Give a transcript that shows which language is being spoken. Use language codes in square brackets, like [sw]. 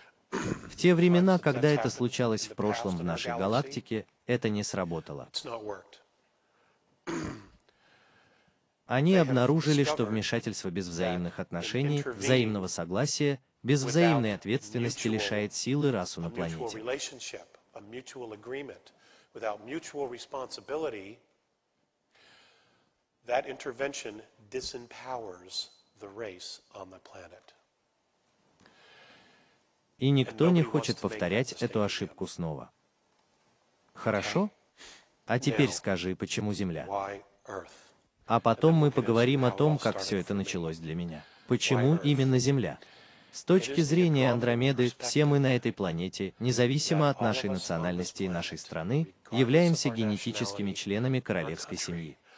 [ru] В те времена, когда это случалось в прошлом в нашей галактике, это не сработало. Они обнаружили, что вмешательство без взаимных отношений, взаимного согласия, без взаимной ответственности лишает силы расу на планете. [en] a mutual agreement, without mutual responsibility, that intervention disempowers the race on the planet. [ru] И никто не хочет повторять эту ошибку снова. Хорошо? А теперь скажи, почему Земля? А потом мы поговорим о том, как все это началось для меня. Почему именно Земля? С точки зрения Андромеды, все мы на этой планете, независимо от нашей национальности и нашей страны, являемся генетическими членами королевской семьи.